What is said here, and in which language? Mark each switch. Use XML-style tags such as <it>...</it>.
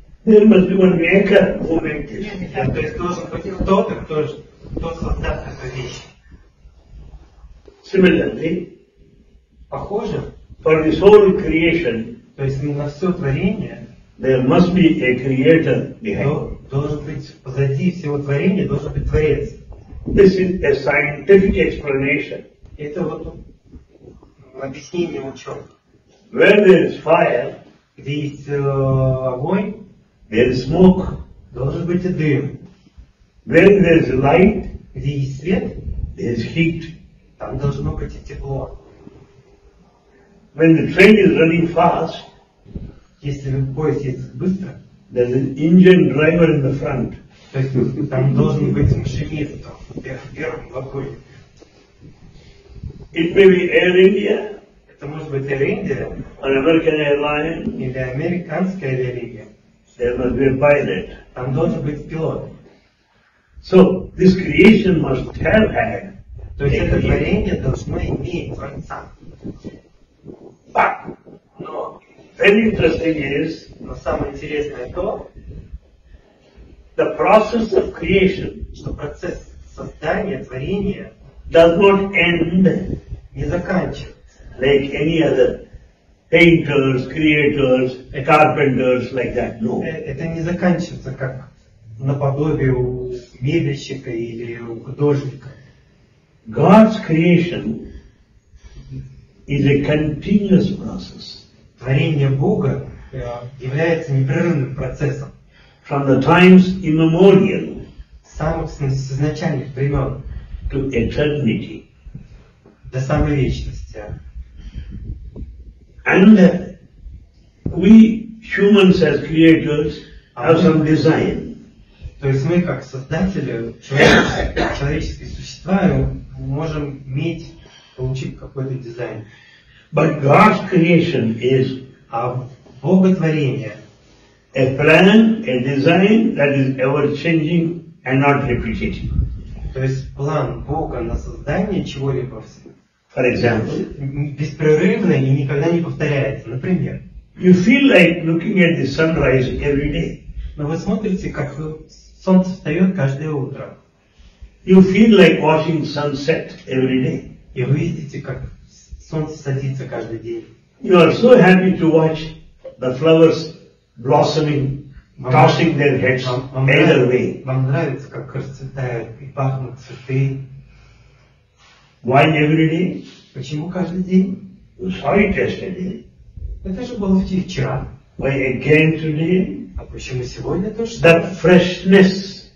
<en>There must be one maker who made this.</en> <ru>Yeah, то есть должен быть кто-то, кто создал эту вещь.</ru> <en>Similarly,</en> <ru>похоже,</ru> <en>for this whole creation,</en> <ru>то есть на все творение,</ru> <en>there must be a creator behind.</en> <ru>Должен быть позади всего творения, должен быть Творец.</ru> <en>This is a scientific explanation.</en> <ru>Это вот объяснение ученых.</ru> <en>Where there is fire,</en> <ru>где есть огонь,</ru> <en>there is smoke,</en> <ru>должен быть и дым.</ru> <en>Where there is light,</en> <ru>где есть свет,</ru> <en>there is heat,</en> <ru>там должно быть и тепло.</ru> <en>When the train is running fast,</en> <ru>если поезд едет быстро,</ru> <en>there is an engine driver in the front,</en> <ru>то есть там должен быть машинист в первом вагоне.</ru> <en>It may be Air India.</en> <ru>Это может быть Air India,</ru> <en>an American airline,</en> <ru>или американская авиалиния.</ru> <en>There must be a pilot.</en> <ru>Там должен быть пилот.</ru> <en>So this creation must have had.</en> <ru>То есть это творение должно иметь Творца.</ru> <en>But,</en> <ru>но</ru> <en>very interesting is,</en> <ru>но самое интересное то,</ru> <en>the process of creation,</en> <ru>что процесс создания творения</ru> <en>does not end,</en> <ru>не заканчивается.</ru> <en>Like any other painters, creators, carpenters, like that. No.</en> <ru>Это не заканчивается как наподобие у мебельщика или у художника.</ru> <en>God's creation is a continuous process.</en> <ru>Творение Бога является непрерывным процессом.</ru> <en>From the times immemorial.</en> <ru>С изначальных времен.</ru> <en>To eternity.</en> <ru>До самой вечности.</ru> <en>And we humans as creators have some design.</en> <ru>То есть мы как создатели человеческие существа можем иметь получить какой-то дизайн.</ru> <en>But God's creation is</en> <ru>боготворение.</ru> <en>A plan, a design that is ever changing and not repetitive.</en> <ru>То есть план Бога на создание чего-либо.</ru> <en>For example,</en> <ru>беспрерывно и никогда не повторяется. Например,</ru> <en>you feel like looking at the sunrise every day.</en> <ru>Но вы смотрите, как солнце встает каждое утро.</ru> <en>You feel like watching sunset every day.</en> <ru>И вы видите, как солнце садится каждый день.</ru> <en>You are so happy to watch the flowers blossoming, tossing their heads either way.</en> <ru>Вам нравится, как расцветают и пахнут цветы.</ru> <en>Why every day?</en> <ru>Почему каждый день?</ru> <en>You saw it yesterday.</en> <ru>Это же было вчера.</ru> <en>Why again today?</en> <ru>А почему сегодня тоже?</ru> <en>That freshness.</en>